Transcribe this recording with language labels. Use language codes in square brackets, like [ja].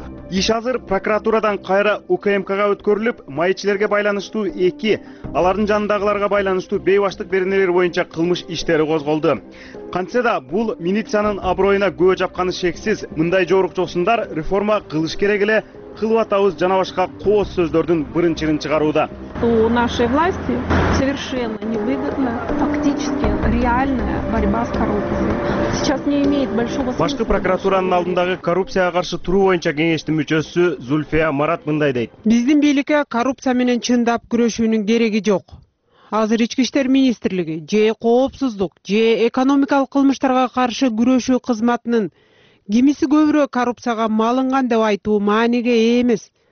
[ky] Иш азыр прокуратурадан кайра УКМКга өткөрүлүп, маичилерге байланыштуу 2, алардын жанындагыларга байланыштуу бейбаштык беренелер боюнча кылмыш иштери козголду. Кантсе да бул милициянын аброюна көө жапканы шексиз. Мындай жоорукчосундар реформа кылыш керек эле, кылып атабыз жана башка кооз сөздөрдүн бырын-чырын чыгарууда. [ru] У нашей власти совершенно невыгодна фактически реальная борьба с коррупцией. Сейчас не имеет большого смысла. [ky] Башкы прокуратуранын алдындагы коррупцияга каршы туруу боюнча кеңештин мүчөсү Зульфия Марат мындай дейт. Биздин бийликке коррупция менен чындап күрөшүүнүн кереги жок. Азыр ички иштер министрлиги же коопсуздук же экономикалык кылмыштарга каршы күрөшүү кызматынын кимиси көбүрөөк коррупцияга малынган деп айтуу мааниге ээ эмес.